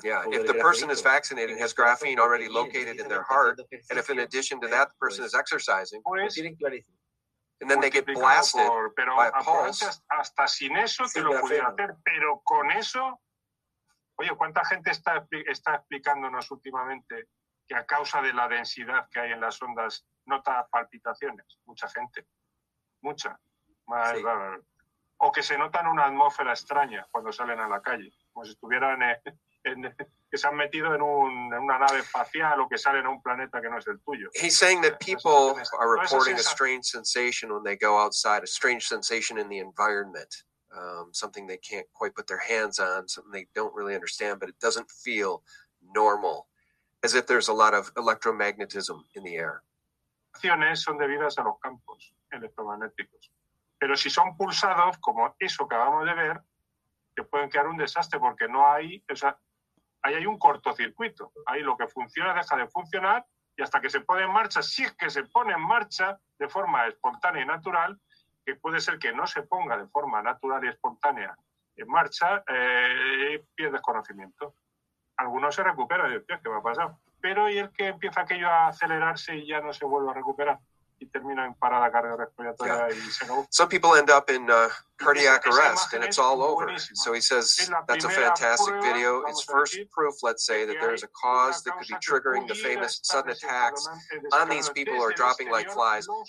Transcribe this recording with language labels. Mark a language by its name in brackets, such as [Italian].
[English] Yeah, if the person is vaccinated and has graphene already located in their heart, and if in addition to that the person is exercising, and then they get blasted by a pulse. [Spanish] Hasta sin eso te lo pueden hacer, pero con eso. Oye, ¿cuánta gente está explicándonos últimamente que a causa de la densidad que hay en las ondas nota palpitaciones? Mucha gente. Mucha. Sí. O que se notan una atmósfera extraña cuando salen a la calle. Como si estuvieran que se han metido en una nave espacial o que salen a un planeta que no es el tuyo. [English] He's saying that people are reporting a strange sensation when they go outside, a strange sensation in the environment. Something they can't quite put their hands on, something they don't really understand, but it doesn't feel normal, as if there's a lot of electromagnetism in the air. [Spanish] Acciones son debidas a los campos electromagnéticos, pero si son pulsados, como eso que acabamos de ver, que pueden crear un desastre porque no hay, o sea, ahí hay un cortocircuito, ahí lo que funciona deja de funcionar y hasta que se pone en marcha, si es que se pone en marcha de forma espontánea y natural, que puede ser que no se ponga de forma natural y espontánea en marcha, pierdes conocimiento. Algunos se recuperan, Dios, ¿qué va a pasar? Pero ¿y el que empieza aquello a acelerarse y ya no se vuelve a recuperar? Y termina en parada cardiorrespiratoria y se no. [English] Some people end up in cardiac arrest and it's all over. So he says that's a fantastic video. It's first proof, let's say, that there's a cause that could be triggering the famous sudden attacks on these people who are dropping like flies.